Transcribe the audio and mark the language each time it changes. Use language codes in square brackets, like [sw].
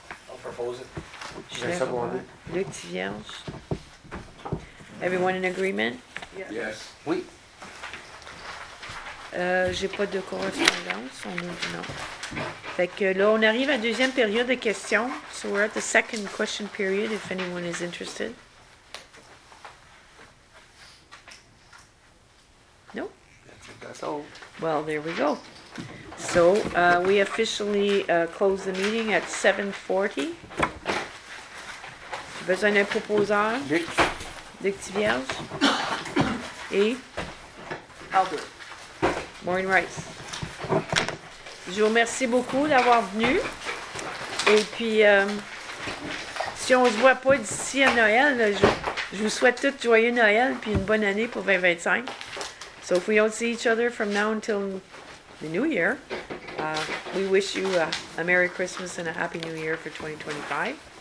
[en] I'll propose it. Luc Thivierge. Everyone in agreement? Yes. [fr] Oui. J'ai pas de correspondance. On est, non. Fait que là, on arrive à la deuxième période de questions. [en] So we're at the second question period, if anyone is interested. No? That's it. That's all. Well, there we go. So we officially close the meeting at 7:40. [fr] Besoin d'un proposeur? Luc. Luc Tivierge. Et? Albert. Maureen Rice. Je vous remercie beaucoup d'avoir venu. Et puis, si on ne se voit pas d'ici à Noël, là, je vous souhaite tout joyeux Noël et une bonne année pour 2025. [en] So if we don't see each other from now until the new year, we wish you a Merry Christmas and a Happy New Year for 2025.